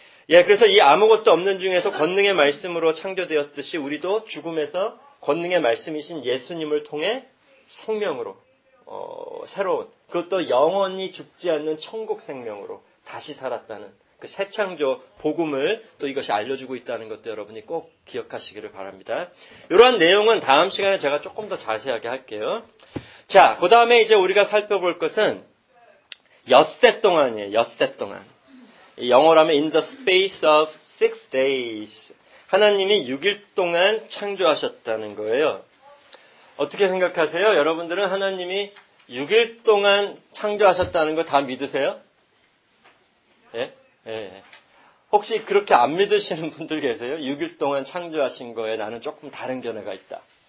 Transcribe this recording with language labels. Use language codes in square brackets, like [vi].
[ko] 예, 그래서 이 아무것도 없는 중에서 권능의 말씀으로 창조되었듯이 우리도 죽음에서 권능의 말씀이신 예수님을 통해 생명으로 새로운 그것도 영원히 죽지 않는 천국 생명으로 다시 살았다는 그 새 창조 복음을 또 이것이 알려주고 있다는 것도 여러분이 꼭 기억하시기를 바랍니다. 이러한 내용은 다음 시간에 제가 조금 더 자세하게 할게요. 자, 그 다음에 이제 우리가 살펴볼 것은 엿새 동안이에요. 엿새 동안. 영어로 하면 [en] in the space of six days. [ko] 하나님이 6일 동안 창조하셨다는 거예요. 어떻게 생각하세요? 여러분들은 하나님이 6일 동안 창조하셨다는 거 다 믿으세요? 예? 예. 혹시 그렇게 안 믿으시는 분들 계세요? 6일 동안 창조하신 거에 나는 조금 다른 견해가 있다.